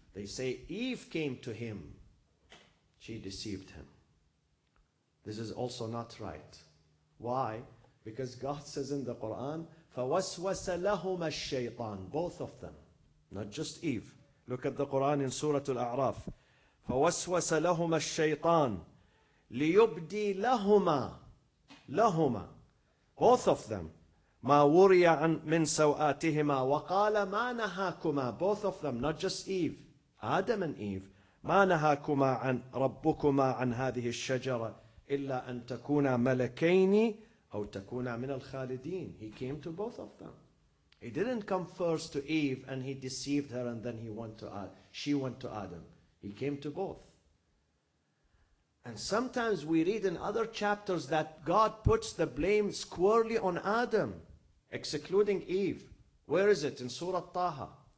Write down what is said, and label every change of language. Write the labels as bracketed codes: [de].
[en] They say Eve came to him, she deceived him. This is also not right. Why? Because God says in the Quran, [ar] فَوَسْوَسَ لَهُمَا الشَّيْطَانِ, [en] both of them, not just Eve. Look at the Quran in Surah Al-A'raf. [ar] فَوَسْوَسَ لَهُمَا الشَّيْطَانِ لِيُبْدِي لَهُمَا, لَهُمَا, [en] both of them, [ar] مَا وُرِيَ عَنْ مِنْ سَوْآتِهِمَا وَقَالَ مَا نَهَاكُمَا, [en] both of them, not just Eve, Adam and Eve, [ar] مَا نَهَاكُمَا عَنْ رَبُّكُمَا عَنْ هَذِهِ الشَّجَرَةِ إِلَّا أَنْ تَكُونَا مَلَكَيْنِ أَوْ تَكُونَا مِنَ الْخَالِدِينَ. [en] He came to both of them. He didn't come first to Eve and he deceived her and then she went to Adam. He came to both. And sometimes we read in other chapters that God puts the blame squarely on Adam, excluding Eve. Where is it? In Surah Taha.